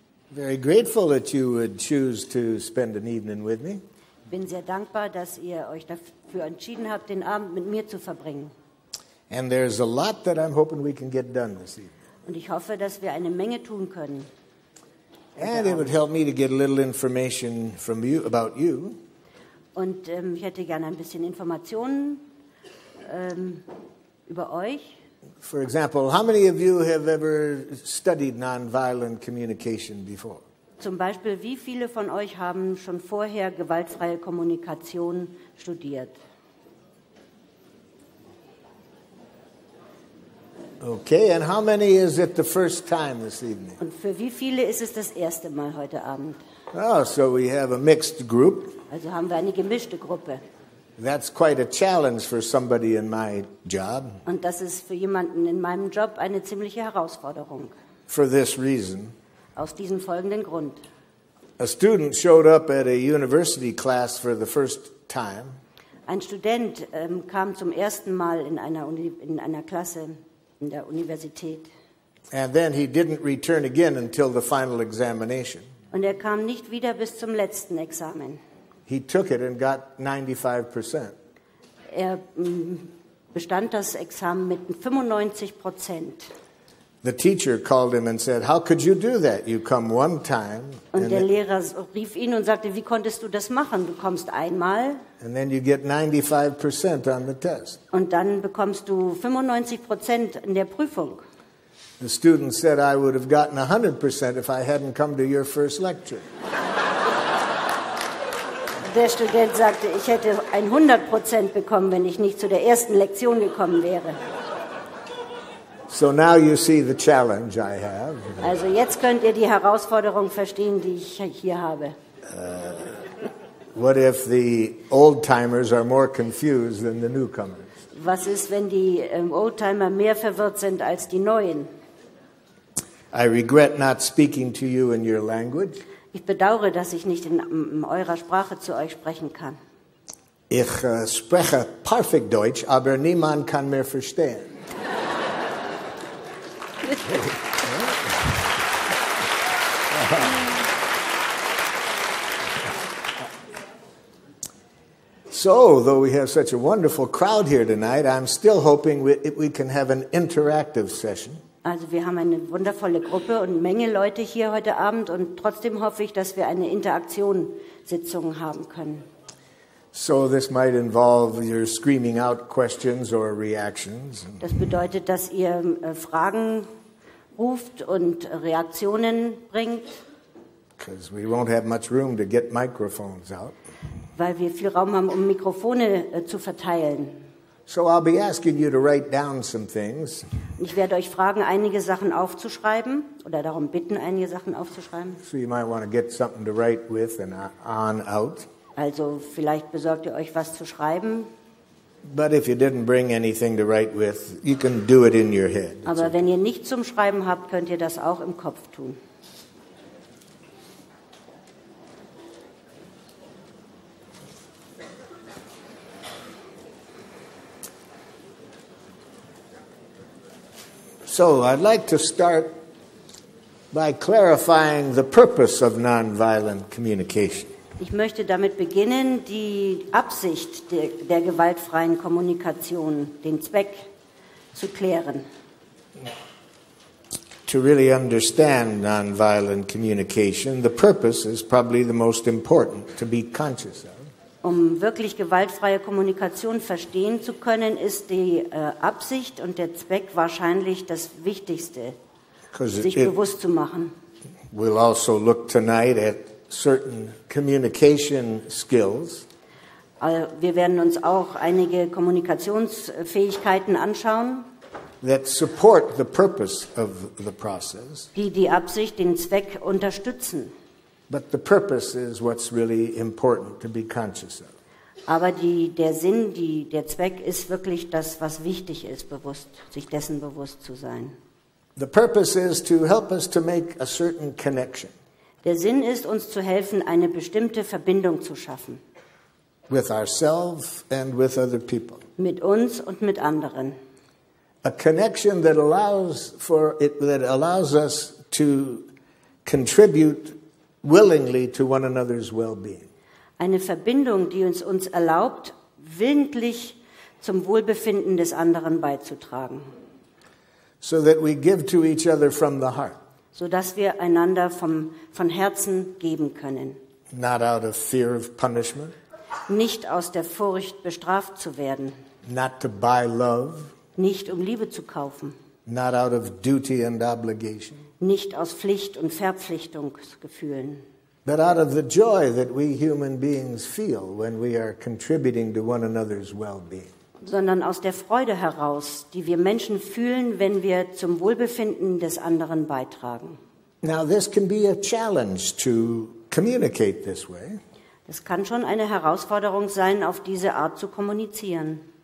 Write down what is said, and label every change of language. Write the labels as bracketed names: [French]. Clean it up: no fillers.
[English] Very grateful that you would choose to spend an evening with me. [German] Bin sehr dankbar, dass ihr euch dafür entschieden habt, den Abend mit mir zu verbringen. [English] And there's a lot that I'm hoping we can get done this evening. [German] Und ich hoffe, dass wir eine Menge tun können. [English] And it would help me to get a little information from you about you. [German] Und ich hätte gerne ein bisschen Informationen über euch. [English] For example, how many of you have ever studied nonviolent communication before? [German] Zum Beispiel, wie viele von euch haben schon vorher gewaltfreie Kommunikation studiert? [English] Okay, and how many is it the first time this evening? [German] Und für wie viele ist es das erste Mal heute Abend? [English] Oh, so we have a mixed group. [German] Also haben wir eine gemischte Gruppe. [English] That's quite a challenge for somebody in my job. [German] Und das ist für jemanden in meinem Job eine ziemliche Herausforderung. [English] For this reason. [German] Aus diesem folgenden Grund. [English] A student showed up at a university class for the first time. [German] Ein Student kam zum ersten Mal in einer Klasse in der Universität. [English] And then he didn't return again until the final examination. [German] Und er kam nicht wieder bis zum letzten Examen. [English] He took it and got 95%. [German] Er bestand das Examen mit 95%. [English] The teacher called him and said, "How could you do that? You come one time." [German] Und der Lehrer rief ihn und sagte, "Wie konntest du das machen? Du kommst einmal." [English] And then you get 95% on the test. [German] Und dann bekommst du 95% in der Prüfung. [English] The student said, "I would have gotten 100% if I hadn't come to your first lecture." [German] Der Student sagte, ich hätte 100% bekommen, wenn ich nicht zu der ersten Lektion gekommen wäre. [English] So now you see the challenge I have. [German] Also jetzt könnt ihr die Herausforderung verstehen, die ich hier habe. [English] What if the old timers are more confused than the newcomers? [German] Was ist, wenn die Oldtimer mehr verwirrt sind als die Neuen? [English] I regret not speaking to you in your language. [German] Ich bedauere, dass ich nicht in eurer Sprache zu euch sprechen kann. Ich spreche perfekt Deutsch, aber niemand kann mir verstehen. [English] So, though we have such a wonderful crowd here tonight, I'm still hoping we can have an interactive session. [German] Also wir haben eine wundervolle Gruppe und Menge Leute hier heute Abend und trotzdem hoffe ich, dass wir eine Interaktionssitzung haben können. [English] So this might involve your screaming out questions or reactions. [German] Das bedeutet, dass ihr Fragen ruft und Reaktionen bringt. [English] Because we won't have much room to get microphones out. [German] Weil wir viel Raum haben, um Mikrofone zu verteilen. [English] So I'll be asking you to write down some things. [German] Ich werde euch fragen, einige Sachen aufzuschreiben oder darum bitten, einige Sachen aufzuschreiben. [English] So you might want to get something to write with and on out. [German] Also vielleicht besorgt ihr euch was zu schreiben. [English] But if you didn't bring anything to write with, you can do it in your head. [German] Aber wenn ihr nichts zum Schreiben habt, könnt ihr das auch im Kopf tun. [English] So I'd like to start by clarifying the purpose of nonviolent communication. [German] Ich möchte damit beginnen, die Absicht der gewaltfreien Kommunikation, den Zweck zu klären. [English] To really understand nonviolent communication, the purpose is probably the most important to be conscious of. [German] Um wirklich gewaltfreie Kommunikation verstehen zu können, ist die Absicht und der Zweck wahrscheinlich das Wichtigste, sich bewusst zu machen. [English] We'll also look tonight at certain communication skills. [German] Wir werden uns auch einige Kommunikationsfähigkeiten anschauen, [English] that support the purpose of the process, [German] die Absicht, den Zweck unterstützen. [English] But the purpose is what's really important to be conscious of. [German] Aber der Zweck ist wirklich das, was wichtig ist, sich dessen bewusst zu sein. [English] The purpose is to help us to make a certain connection. [German] Der Sinn ist, uns zu helfen, eine bestimmte Verbindung zu schaffen. [English] With ourselves and with other people. [German] Mit uns und mit anderen. [English] a connection that allows for it, that allows us to contribute willingly to one another's well-being. [German] Eine Verbindung, die uns erlaubt, willentlich zum Wohlbefinden des anderen beizutragen. [English] So that we give to each other from the heart. [German] So dass wir einander von Herzen geben können. [English] Not out of fear of punishment. [German] Nicht aus der Furcht, bestraft zu werden. [English] Not to buy love. [German] Nicht um Liebe zu kaufen. [English] Not out of duty and obligation. [German] Nicht aus Pflicht und Verpflichtungsgefühlen. [English] But out of the joy that we human beings feel when we are contributing to one another's well-being. [German] Sondern aus der Freude heraus, die wir Menschen fühlen, wenn wir zum Wohlbefinden des anderen beitragen. [English] Now this can be a challenge to communicate this way. [German] Das kann schon eine Herausforderung sein, auf diese Art zu kommunizieren.